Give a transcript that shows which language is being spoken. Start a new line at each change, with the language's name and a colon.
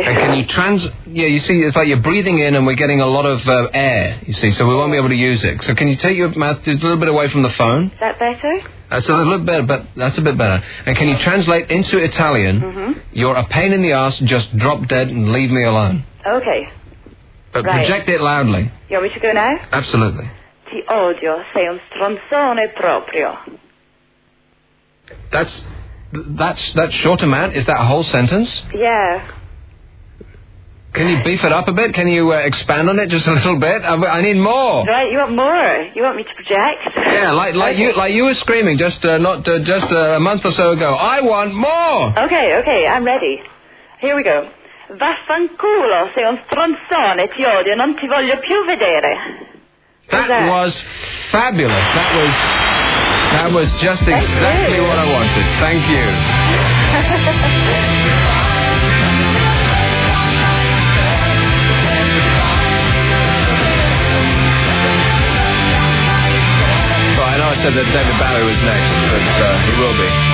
English: And can you Yeah, you see, it's like you're breathing in and we're getting a lot of air, you see, so we won't be able to use it. So can you take your mouth just a little bit away from the phone? Is that better? That's a little better, but that's a bit better. And can you translate into Italian, mm-hmm. you're a pain in the ass, just drop dead and leave me alone. Okay. But right. Project it loudly. You want me to go now? Absolutely.
Italian: Ti odio, sei un stronzone proprio.
English: That's short amount? Is that a whole sentence? Yeah. Can you beef it up a bit? Can you expand on it just a little bit? I need more. Right, you want more? You want me to project? Yeah, like you were screaming just a month or so ago. I want more! Okay, I'm ready. Here we go.
Italian: Vaffanculo, sei un stronzone, ti odio, non ti voglio più vedere.
English: That was fabulous. That was just exactly what I wanted. Thank you. Well, I know I said that David Bowie was next, but he will be.